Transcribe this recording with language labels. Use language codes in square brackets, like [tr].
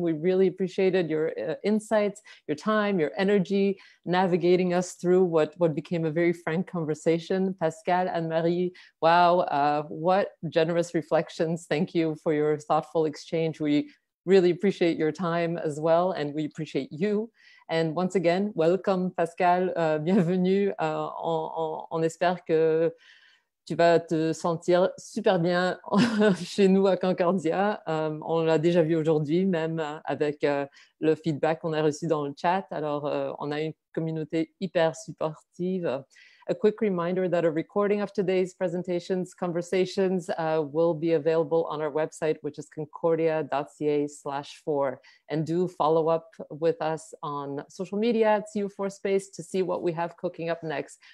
[en] We really appreciated your insights, your time, your energy, navigating us through what became a very frank conversation. Pascale and Marie, wow, what generous reflections. Thank you for your thoughtful exchange. We really appreciate your time as well, and we appreciate you. And once again, welcome, Pascale. [fr] Bienvenue. On espère que tu vas te sentir super bien chez nous à Concordia. On l'a déjà vu aujourd'hui, même avec le feedback qu'on a reçu dans le chat. Alors, on a une communauté hyper supportive. [en] A quick reminder that a recording of today's presentations, conversations, will be available on our website, which is concordia.ca/4. And do follow up with us on social media at CU4Space to see what we have cooking up next.